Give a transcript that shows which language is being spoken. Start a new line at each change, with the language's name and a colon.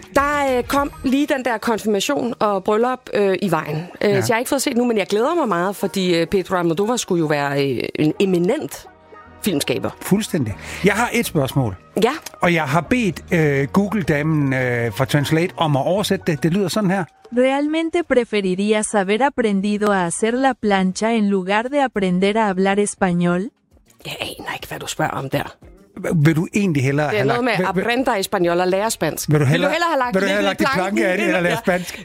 Danish: Der kom lige den der konfirmation og bryllup i vejen. Så jeg har ikke fået set nu, men jeg glæder mig meget, fordi Pedro Almodovar skulle jo være en eminent filmskaber. Fuldstændig. Jeg har et spørgsmål. Ja. Og jeg har bedt Google-damen fra Translate om at oversætte det. Det lyder sådan her.
Spanish: Realmente preferirías haber aprendido a hacer la plancha en lugar de aprender a hablar español?
Danish: Jeg aner ikke, hvad du spørger om der. Vil du egentlig hellere... Det er noget med
Spanish: aprender espanol
Danish: og lære spansk. Vil du hellere lagt lære spansk?